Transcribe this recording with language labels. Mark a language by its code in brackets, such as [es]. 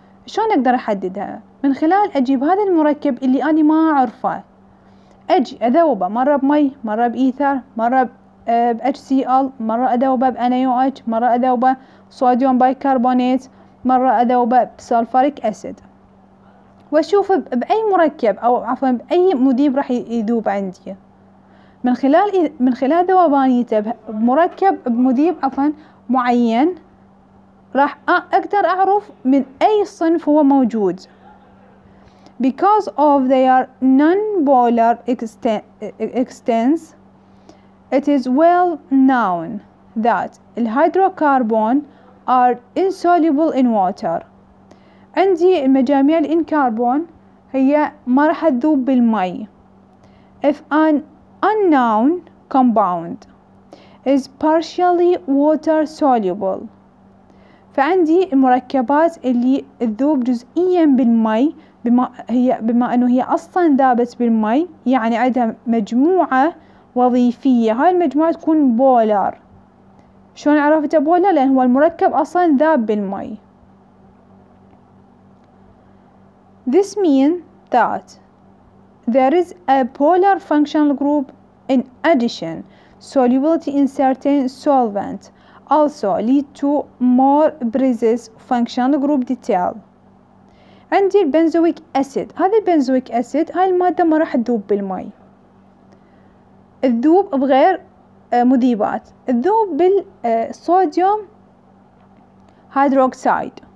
[ar] شلون اقدر احددها؟ من خلال اجيب هذا المركب اللي انا ما اعرفه، اجي اذوبه مره بمي، مره بايثر، مره ب HCl، مره اذوبه ب NaOH، مره اذوبه صوديوم بايكربونات، مره اذوبه بسلفوريك اسيد، واشوف باي مركب او عفوا باي مذيب راح يذوب عندي. من خلال ذوبانيته بمركب بمذيب عفوا معين راح أقدر أعرف من أي صنف هو موجود. [en] Because of their non-polar extents, it is well known that hydrocarbon are insoluble in water. [ar] عندي المجاميع الإنكربون هي ما راح تذوب بالماء. [en] If an unknown compound is partially water soluble. [ar] فعندي المركبات اللي تذوب جزئيا بالماء، بما انه هي اصلا ذابت بالماء، يعني عندها مجموعه وظيفيه، هاي المجموعه تكون بولار. شلون عرفت بولار؟ لان هو المركب اصلا ذاب بالماء. [en] This means that there is a polar functional group in addition solubility in certain solvent also lead to more precise functional group detail. [ar] عندي البنزويك أسيد، هذا البنزويك أسيد هاي المادة ما راح تذوب بالماء، تذوب بغير مذيبات، الذوب بالصوديوم هيدروكسيد.